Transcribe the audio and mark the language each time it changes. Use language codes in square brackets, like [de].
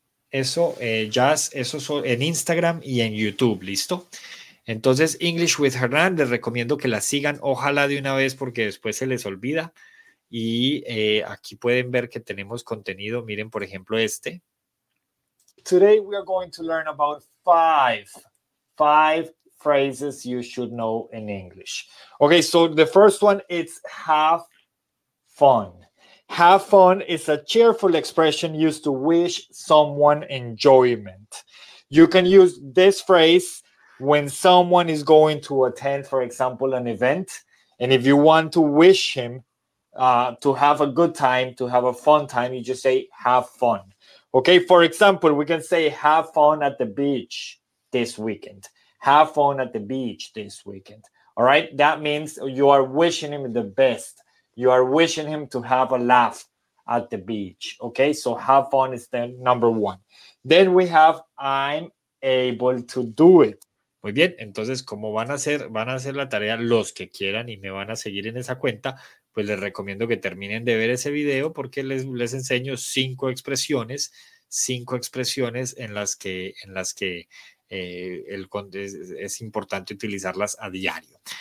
[es] Eso, Jazz, eso en Instagram y en YouTube, ¿listo? Entonces, English with Hernán, les recomiendo que la sigan, ojalá de una vez, porque después se les olvida. Y aquí pueden ver que tenemos contenido, miren, por ejemplo, este. [en] Today we are going to learn about five phrases you should know in English. Okay, so the first one, it's have fun. Have fun is a cheerful expression used to wish someone enjoyment. You can use this phrase when someone is going to attend, for example, an event. And if you want to wish him to have a good time, to have a fun time, you just say have fun. Okay, for example, we can say have fun at the beach this weekend. Have fun at the beach this weekend. All right, that means you are wishing him the best. You are wishing him to have a laugh at the beach. Okay, so have fun is the number one. Then we have I'm able to do it. [es] Muy bien, entonces como van a hacer la tarea los que quieran y me van a seguir en esa cuenta, pues les recomiendo que terminen de ver ese video porque les enseño cinco expresiones en las que es importante utilizarlas a diario.